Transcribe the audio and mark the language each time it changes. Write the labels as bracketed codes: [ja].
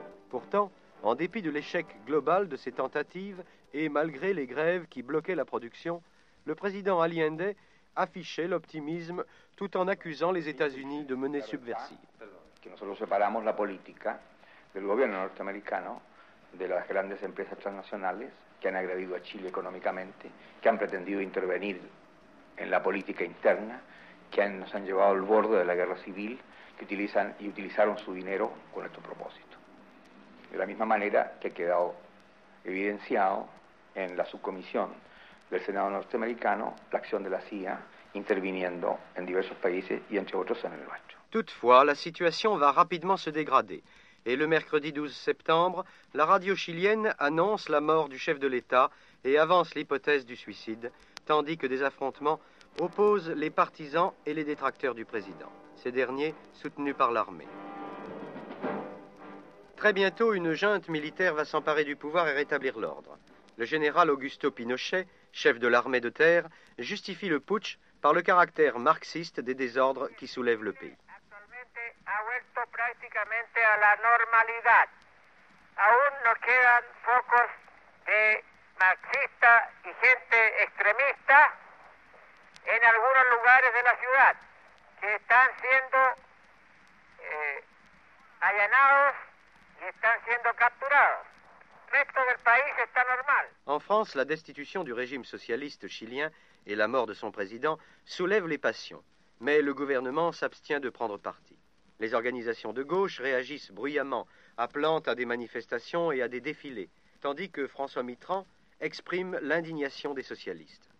[fr] Pourtant, en dépit de l'échec global de ces tentatives et malgré les grèves qui bloquaient la production, le président Allende affichait l'optimisme tout en accusant les États-Unis de mener subversive. [es] Que nosotros separamos la política del gobierno norteamericano de las grandes empresas transnacionales que han agredido a Chile económicamente, que han pretendido intervenir en la política interna, que nos han llevado al borde de la guerra civil, que utilizan y utilizaron su dinero con estos propósitos. De la misma manera que ha quedado evidenciado en la subcomisión del Senado norteamericano la acción de la CIA interviniendo en diversos países y entre otros en el nuestro. [fr] Toutefois, la situación va rapidement se dégrader. Et le mercredi 12 septembre, la radio chilienne annonce la mort du chef de l'État et avance l'hypothèse du suicide, tandis que des affrontements opposent les partisans et les détracteurs du président, ces derniers soutenus par l'armée. Très bientôt, une junte militaire va s'emparer du pouvoir et rétablir l'ordre. Le général Augusto Pinochet, chef de l'armée de terre, justifie le putsch par le caractère marxiste des désordres qui soulèvent le pays. Actuellement, a [es] prácticamente a la normalidad. Aún no quedan focos de marxista y gente extremista en algunos lugares de la ciudad que están siendo allanados y están siendo capturados. El resto del país está normal. [fr] En France, la destitución du régime socialiste chilien et la mort de son président soulèvent les passions, mais le gouvernement s'abstient de prendre parti. Les organisations de gauche réagissent bruyamment, appelant à des manifestations et à des défilés, tandis que François Mitterrand exprime l'indignation des socialistes.